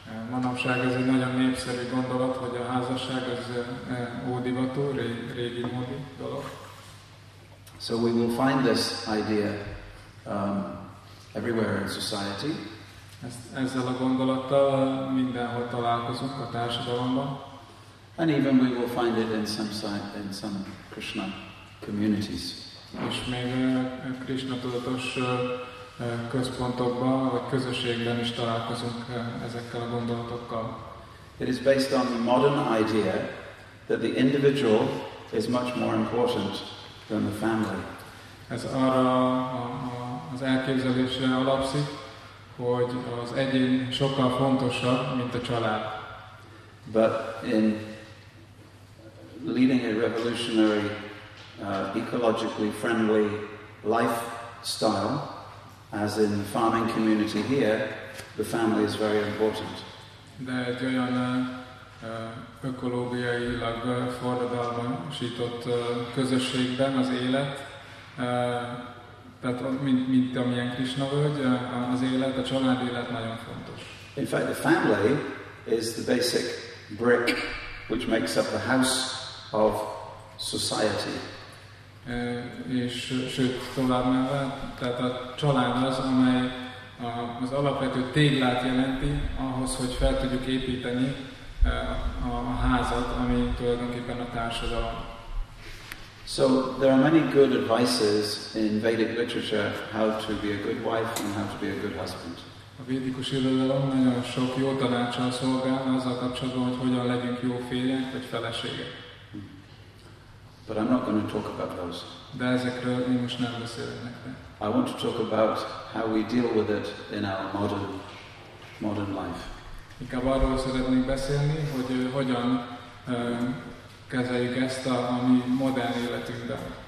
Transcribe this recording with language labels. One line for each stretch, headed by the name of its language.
Hungarian: Manapság ez egy nagyon népszerű gondolat, hogy a házasság az ódivatú, régi módi dolog.
English: So we will find this idea everywhere in society.
Hungarian: Ezzel a gondolattal mindenhol találkozunk a társadalomban.
English: And even we will find it in some Krishna communities.
Hungarian: És még Krishna tudatos központokban, vagy közösségben is találkozunk ezekkel a gondolatokkal.
English: It is based on the modern idea that the individual is much more important than the family.
Hungarian: Ez arra az elképzelésre alapszik, hogy az egyén sokkal fontosabb, mint a család.
English: But in leading a revolutionary, ecologically friendly lifestyle, as in the farming community here, the family is very important.
Hungarian: De egy olyan ökológiailag forradalmasított közösségben az élet, tehát mint amilyen Krisna völgy, az élet, a család élet nagyon fontos.
English: In fact, the family is the basic brick which makes up the house of society.
Hungarian: És sőt, tovább menve, tehát a család az, amely az alapvető téglát jelenti ahhoz, hogy fel tudjuk építeni a házat, ami tulajdonképpen a társadalom.
English: So there are many good advices in Vedic literature how to be a good wife and how to be a good husband.
Hungarian: A védikus irodalom nagyon sok jó tanácssal szolgál azzal kapcsolatban, hogy hogyan legyünk jó férjek vagy feleségek.
English: But I'm not going to talk about those.
Hungarian: De ezekről én most nem beszélek nektek.
English: I want to talk about how we deal with it in our modern life.
Hungarian: Inkább arról szeretnék beszélni, hogy hogyan kezeljük ezt a mi modern életünkben.